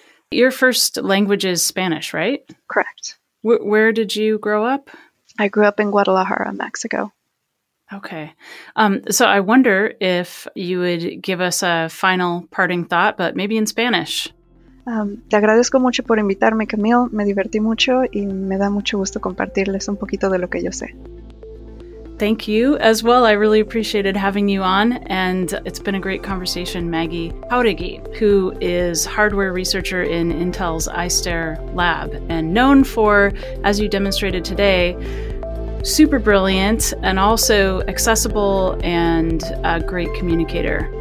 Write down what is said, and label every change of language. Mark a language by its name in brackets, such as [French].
[English] Your first language is Spanish, right? Correct. Where did you grow up? I grew up in Guadalajara, Mexico. Okay. So I wonder if you would give us a final parting thought, but maybe in Spanish. [Spanish] Te agradezco mucho por invitarme, Camille. Me divertí mucho y me da mucho gusto compartirles un poquito de lo que yo sé. [English] Thank you as well. I really appreciated having you on, and it's been a great conversation. Maggie Jauregui, who is hardware researcher in Intel's iStair lab and known for, as you demonstrated today, super brilliant and also accessible and a great communicator.